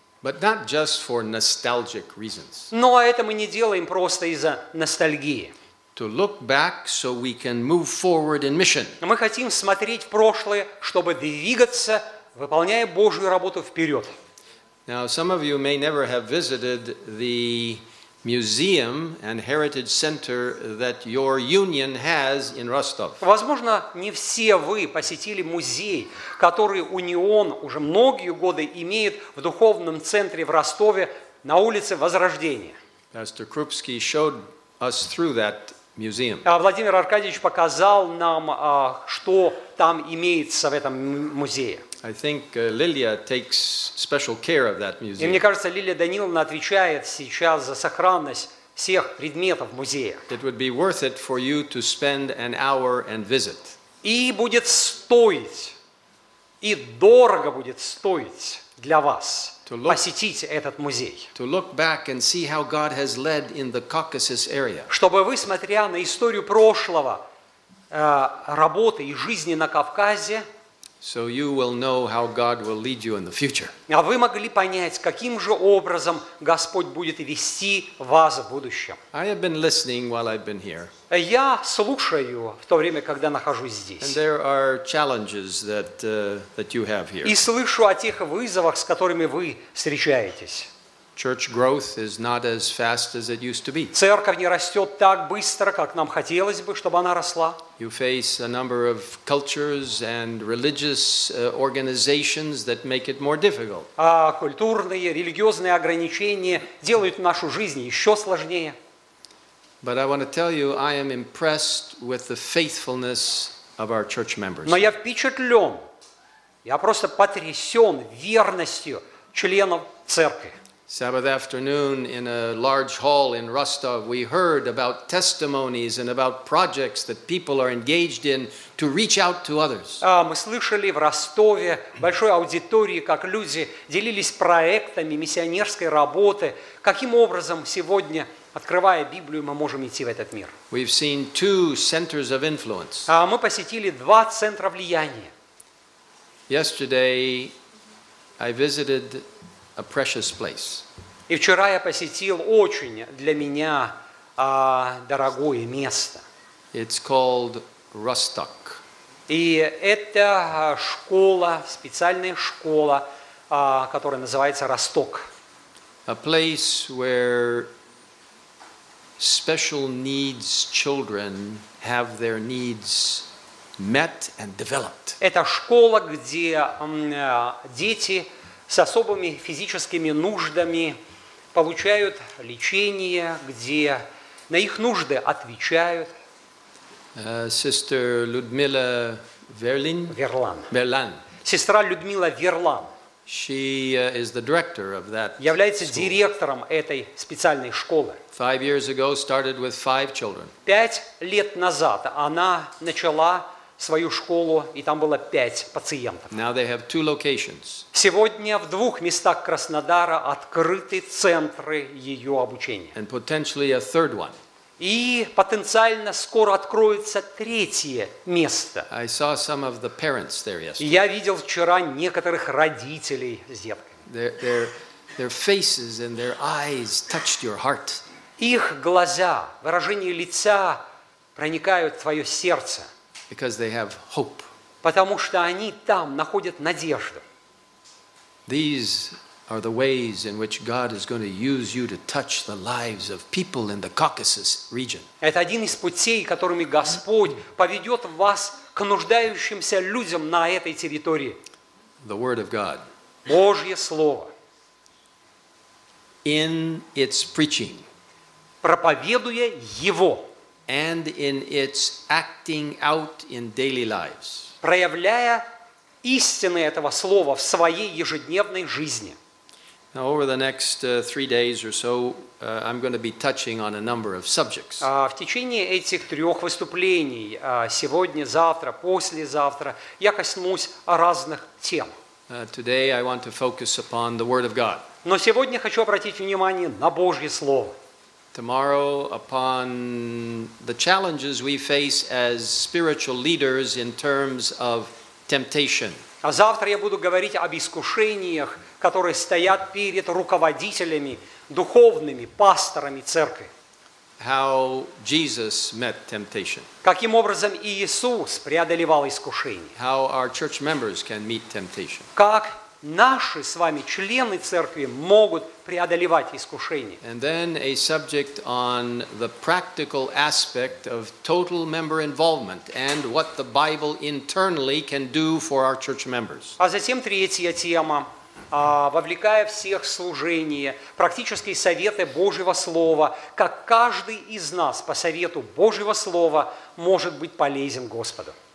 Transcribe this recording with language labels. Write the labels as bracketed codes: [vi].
[en] But not just for nostalgic reasons. [ru] Но это мы не делаем просто из-за ностальгии. [en] To look back so we can move forward in mission. [ru] Мы хотим смотреть в прошлое, чтобы двигаться, выполняя Божью работу вперед. [en] Now, some of you may never have visited the museum and heritage center that your union has in Rostov. [ru] Возможно, не все вы посетили музей, который Унион уже многие годы имеет в духовном центре в Ростове на улице Возрождения. [en] Pastor Krupski showed us through that museum. [ru] Владимир Аркадьевич показал нам, что там имеется в этом музее. [en] I think Lilia takes special care of that museum. [ru] И мне кажется, Лилия Даниловна отвечает сейчас за сохранность всех предметов музея. [en] It would be worth it for you to spend an hour and visit. [ru] И будет стоить, и дорого будет стоить для вас посетить этот музей. [en] To look back and see how God has led in the Caucasus area. [ru] Чтобы вы, смотря на историю прошлого, работы и жизни на Кавказе, [en] so you will know how God will lead you in the future. [ru] А вы могли понять, каким же образом Господь будет вести вас в будущем. [en] I have been listening while I've been here. [ru] Я слушаю в то время, когда нахожусь здесь. [en] And there are challenges that you have here. [ru] И слышу о тех вызовах, с которыми вы встречаетесь. [en] Church growth is not as fast as it used to be. [ru] Церковь не растет так быстро, как нам хотелось бы, чтобы она росла. [en] You face a number of cultures and religious organizations that make it more difficult. [ru] Культурные, религиозные ограничения делают нашу жизнь еще сложнее. [en] But I want to tell you, I am impressed with the faithfulness of our church members. [ru] Но я впечатлен, я просто потрясен верностью членов церкви. [en] Sabbath afternoon in a large hall in Rostov, we heard about testimonies and about projects that people are engaged in to reach out to others. [ru] Мы слышали в Ростове большой аудитории, как люди делились проектами миссионерской работы, каким образом сегодня, открывая Библию, мы можем идти в этот мир. [en] We've seen two centers of influence. [ru] Мы посетили два центра влияния. [en] Yesterday I visited a precious place. [ru] И вчера я посетил очень для меня дорогое место. [en] It's called Rostock. [ru] И это школа, специальная школа, которая называется Росток. [en] A place where special needs children have their needs met and developed. [ru] Это школа, где дети с особыми физическими нуждами получают лечение, где на их нужды отвечают. [en] Sister Людмила Верлин. [ru] Верлан. Сестра Людмила Верлан. [en] She is the director of that. [ru] Является директором этой специальной школы. [en] 5 years ago, started with 5 children. [ru] 5 лет назад она начала свою школу, и там было 5 пациентов. [en] Now they have 2 locations. [ru] Сегодня в 2 местах Краснодара открыты центры ее обучения. [en] And potentially a third one. [ru] И потенциально скоро откроется 3-е место. [en] I saw some of the parents there yesterday. [ru] Я видел вчера некоторых родителей с детками. [en] Their faces and their eyes touched your heart. [ru] Их глаза, выражение лица проникают в твое сердце. [en] Because they have hope. [ru] Потому что они там находят надежду. [en] These are the ways in which God is going to use you to touch the lives of people in the Caucasus region. [ru] Это один из путей, которыми Господь поведет вас к нуждающимся людям на этой территории. [en] The Word of God. [ru] Божье Слово. [en] In its preaching. [ru] Проповедуя Его. [en] And in its acting out in daily lives. [ru] Проявляя истины этого слова в своей ежедневной жизни. [en] Now over the next 3 days or so, I'm going to be touching on a number of subjects. [ru] В течение этих 3 выступлений, сегодня, завтра, послезавтра, я коснусь разных тем. [en] Today I want to focus upon the Word of God. [ru] Но сегодня хочу обратить внимание на Божье Слово. [en] Tomorrow upon the challenges we face as spiritual leaders in terms of temptation. [ru] А завтра я буду говорить об искушениях, которые стоят перед руководителями духовными, пасторами церкви. [en] How Jesus met temptation. [ru] Каким образом Иисус преодолевал искушения? [en] How our church members can meet temptation. [ru] Как наши с вами члены церкви могут преодолевать искушения. [en] And then a subject on the practical aspect of total member involvement and what the Bible internally can do for our church members. [ru] А затем 3-я тема, вовлекая всех в служение, практические советы Божьего Слова, как каждый из нас по совету Божьего Слова может быть полезен Господу.